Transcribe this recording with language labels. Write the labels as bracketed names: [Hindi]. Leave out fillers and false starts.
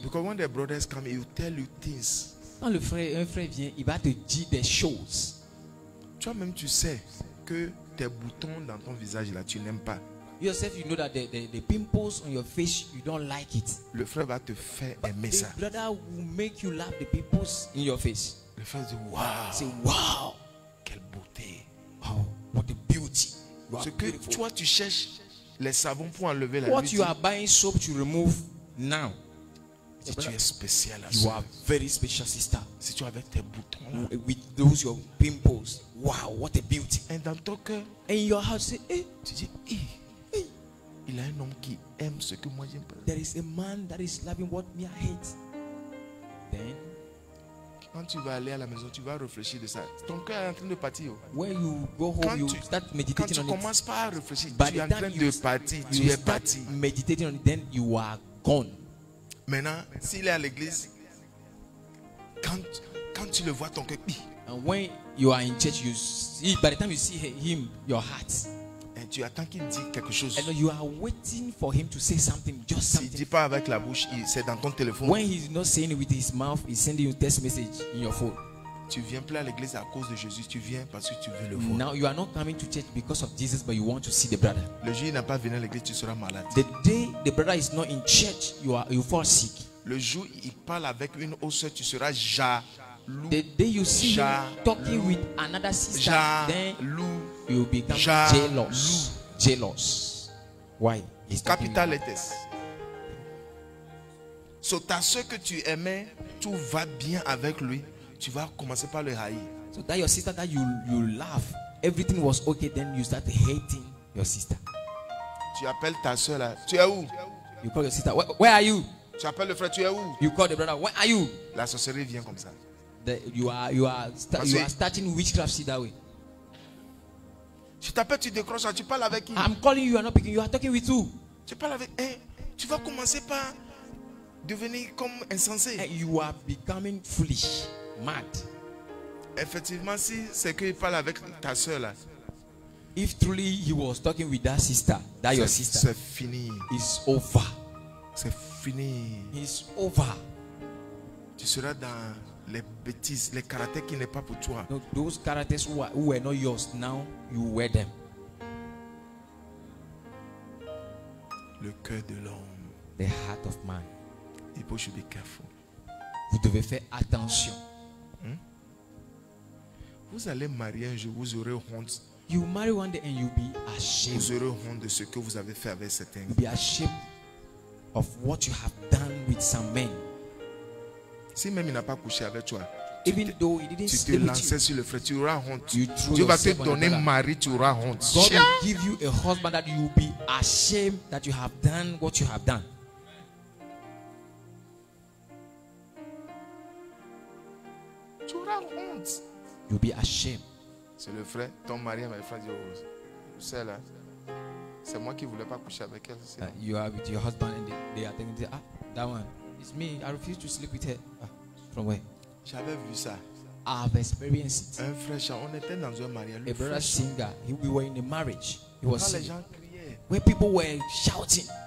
[English] Because when the brothers come, he will tell you things. [French] Quand un frère vient, il va te dire des choses. Toi-même, tu sais que tes boutons dans ton visage là, tu n'aimes pas. [English] Yourself, you know that the pimples on your face, you don't like it. [French] Le frère va te faire aimer ça. [English] The brother will make you laugh the pimples in your face. [French] Le frère dit wow. [English] Say wow. [French] Quelle beauté. [English] Oh, what a beauty. You are [French] ce que [English] beautiful. [French] Toi tu cherches les savons pour enlever la. [English] What beauty. You are buying soap to remove now. [French] Si tu es spécial, [English] you are very special, sister. [French] Si tu avais tes boutons, [English] with those your pimples, wow, what a beauty! [French] And dans ton cœur, [English] in your heart, say, hey. [French] Tu dis, hey. Il a un homme qui aime ce que moi j'aime. [English] There is a man that is loving what me I hate. Then, [French] quand tu vas aller à la maison, tu vas réfléchir de ça. Ton cœur est en train de partir. [English] When you go home, [French] quand [English] you start meditating on it. [French] Quand tu commences pas à réfléchir, tu es en train de partir. Tu es parti. [English] Meditating on it, then you are gone. [French] Maintenant, s'il est à l'église, quand tu le vois, ton cœur. [English] And when you are in church, you see. By the time you see him, your heart. [French] Et tu attends qu'il dise quelque chose. [English] And you are waiting for him to say something, just something. [French] S'il dit pas avec la bouche, c'est dans ton téléphone. [English] When he's not saying it with his mouth, he's sending you a text message in your phone. [French] Tu viens plus à l'église à cause de Jésus. Tu viens parce que tu veux le voir. [English] Now you are not coming to church because of Jesus, but you want to see the brother. [French] Le jour il n'a pas venu à l'église, tu seras malade. [English] The day the brother is not in church, you fall sick. [French] Le jour il parle avec une autre sœur, tu seras jaloux. [English] The day you see him talking with another sister, [French] jaloux. [English] Then you will become jealous. Why? He's capital letters. [French] So ta sœur que tu aimais, tout va bien avec lui. Tu vas commencer par le haïr. [English] So that your sister that you love, everything was okay, then you start hating your sister. [French] Tu appelles ta soeur là. Tu es où? [English] You call your sister. Where are you? [French] Tu appelles le frère. Tu es où? [English] You call the brother. Where are you? [French] La sorcellerie vient comme ça. [English] You are starting witchcraft, see that way. [French] Tu t'appelles, tu décroches, tu parles avec qui? [English] I'm calling you, you are not picking, you are talking with who? [French] Tu parles avec, hey, tu vas commencer par devenir comme insensé. [English] Hey, you are becoming foolish, mad. [French] Effectivement, si c'est qu'il parle avec ta soeur là. [English] If truly he was talking with that sister, that [French] c'est, [English] your sister. [French] C'est fini. [English] It's over. [French] C'est fini. [English] It's over. [French] Tu seras dans les bêtises, les caractères qui n'est pas pour toi. [English] No, those characters who were not yours, now you wear them. [French] Le cœur de l'homme. [English] The heart of man. [French] Il faut que [English] be careful. [French] Vous devez faire attention. Hmm? Vous allez marier un jour, vous aurez honte. [English] You marry one day and you'll be ashamed. [French] Vous aurez honte de ce que vous avez fait avec certains. [English] You'll be ashamed of what you have done with some men. [French] Si même il n'a pas couché avec toi, [English] even though he didn't sleep with you, [French] tu te lances sur le frère, tu auras honte. [English] You throw [French] Dieu va te donner mari, tu auras honte. [English] God will give you a husband that you'll be ashamed that you have done what you have done. [French] Tu auras honte. [English] You'll be ashamed. [French] C'est le frère, ton mari et ma frère dit, oh, c'est là. C'est moi qui ne voulais pas coucher avec elle. [English] You are with your husband and they are thinking, ah, that one. It's me, I refuse to sleep with her. Ah, from where? [French] J'avais vu ça. [English] I've experienced it. [French] Un frère, on était dans un mariage. [English] A brother singer, he, we were in a marriage. He was [French] les gens criaient. [English] Where people were shouting.